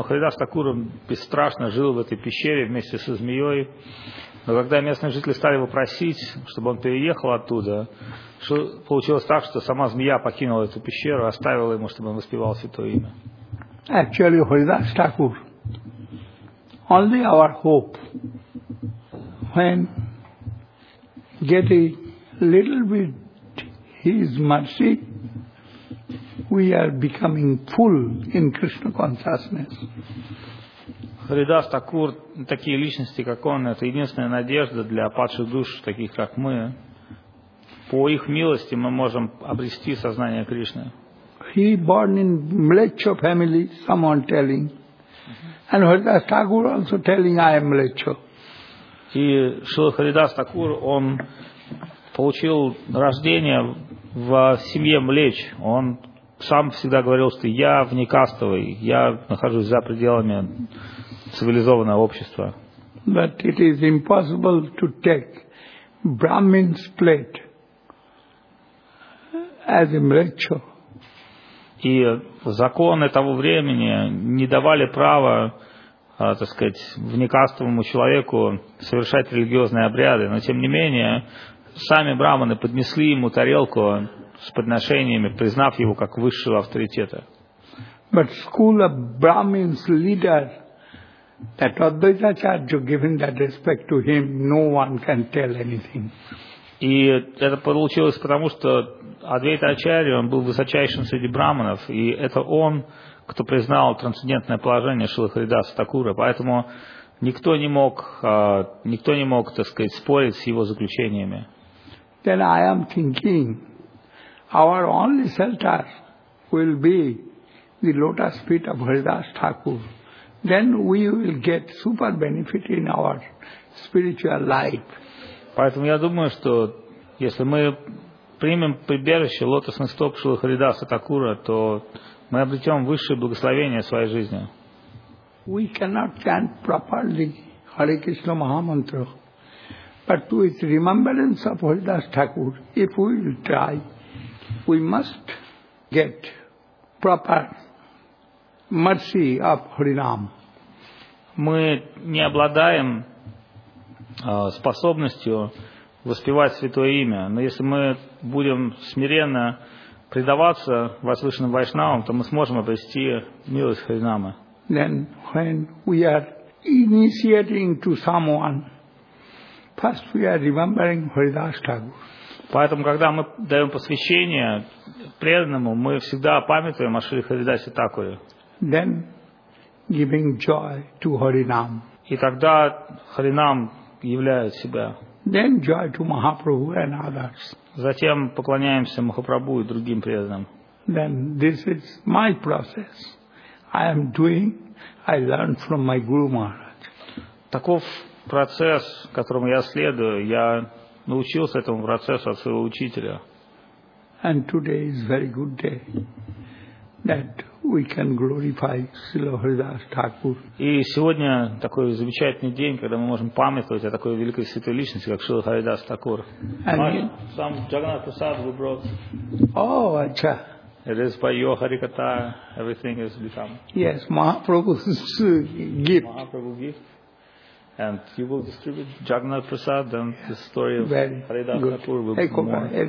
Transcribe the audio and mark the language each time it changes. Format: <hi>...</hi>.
<ru>Но Харидас Такура бесстрашно жил в этой пещере вместе со змеей. Но когда местные жители стали его просить, чтобы он переехал оттуда, получилось так, что сама змея покинула эту пещеру, оставила ему, чтобы он воспевал святое имя.</ru> <en>Actually, Haridas Thakur, only our hope, when getting a little bit his mercy, we are becoming full in Krishna consciousness.</en> <ru>Харидас Такур, такие личности, как он, это единственная надежда для падших душ, таких как мы. По их милости мы можем обрести сознание Кришны.</ru> <en>He born in Mlecho family, someone telling. And Haridas Thakur also telling, I am Mlecho.</en> <ru>И Шрила Харидас Такур, он получил рождение в семье Млеч. Он сам всегда говорил, что я внекастовый, я нахожусь за пределами цивилизованного общества.</ru> <en>that it is impossible to take Brahmin's plate as a mrecho.</en> <ru>И законы того времени не давали права, так сказать, вникаствовому человеку совершать религиозные обряды. Но тем не менее, сами брахманы поднесли ему тарелку с подношениями, признав его как высшего авторитета.</ru> <en>But school of Brahmins leader, that Advaita-charya given that respect to him, no one can tell anything.</en> <ru>И это получилось потому, что Адвейта-ачарья, он был высочайшим среди брахманов, и это он, кто признал трансцендентное положение Шрилы Харидаса Такура, поэтому никто не мог, так сказать, спорить с его заключениями.</ru> <en>Then I am thinking, our only shelter will be the lotus feet of Haridas Thakur. Then we will get super benefit in our spiritual life.</en> <ru>Поэтому я думаю, что если мы примем прибежище лотосных стоп Шрилы Харидаса Такура, то мы обретем высшее благословение своей жизни.</ru> <en>We cannot chant properly Hare Krishna Mahamantra, but to its remembrance of Haridas Thakur, if we will try, we must get proper mercy of Harinam.</en> <ru>Мы не обладаем способностью воспевать святое имя, но если мы будем смиренно предаваться возвышенным вайшнавам, то мы сможем обрести милость Харинамы.</ru> <en>Then when we are initiating to someone, first we are remembering Haridas Thakur.</en> <ru>Поэтому, когда мы даем посвящение преданному, мы всегда памятуем о Шри Харидасе Такуре.</ru> <en>Then giving joy to Harinam.</en> <ru>И тогда Харинам являет себя.</ru> <en>Then joy to Mahaprabhu and others.</en> <ru>Затем поклоняемся Махапрабху и другим преданным.</ru> <en>Then this is my process. I am doing, I learn from my Guru Maharaj.</en> <ru>Таков процесс, которому я следую. Я научился этому процессу от своего учителя.</ru> <en>And today is very good day that we can glorify Srila Haridas Thakur.</en> <ru>И сегодня такой замечательный день, когда мы можем памятовать о такой великой святой личности, как Шрила Харидас Такур. Сам Джагнат Прасад вы брат.</ru> <hi>О, ача.</hi> <en>It is by your Харикатха everything has become. Yes, Mahaprabhu's gift. Mahaprabhu gift. And you will distribute Jagannath Prasad and the story of Haridas Thakur will be more.</en>